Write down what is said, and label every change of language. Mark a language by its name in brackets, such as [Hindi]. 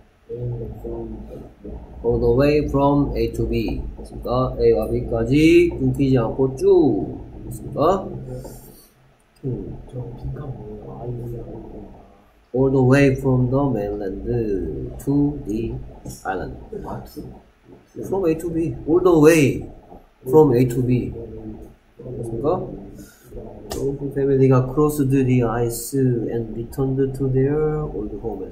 [English] All the way from A to B [Korean] 됐습니까? A와 B까지 끊기지 않고 쭉 됐습니까? 저 빈칸 뭐예요? 아이고야 [English] All the way from the mainland to the island. From A to B. All the way from A to B. [Korean] 맞습니까? [English] The old family got crossed the ice and returned to their old home.